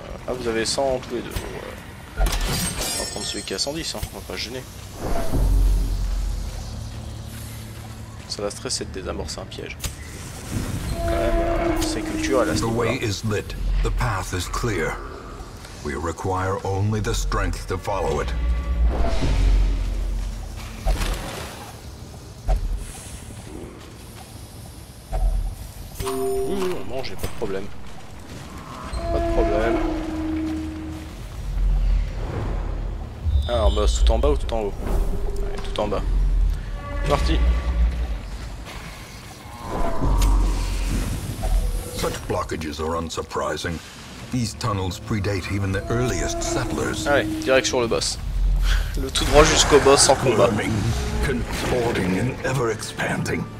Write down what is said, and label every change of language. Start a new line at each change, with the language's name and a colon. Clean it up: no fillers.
French: Ah vous avez 100 tous les deux. Bon, on va prendre celui qui a 110, hein. On va pas se gêner. Ça va stresser de désamorcer un piège. Quand même, c'est culture à la
English: The way is lit. The path is clear. We require only the strength to follow it.
French: Oui, on mange, j'ai pas de problème. Pas de problème. Alors, boss, tout en bas ou tout en haut? Allez, tout en bas. Parti.
English: Such blockages are unsurprising. These tunnels predate even the earliest settlers.
French: Allez, direction le boss. Le tout droit jusqu'au boss sans combat.
English: Contorting and ever expanding.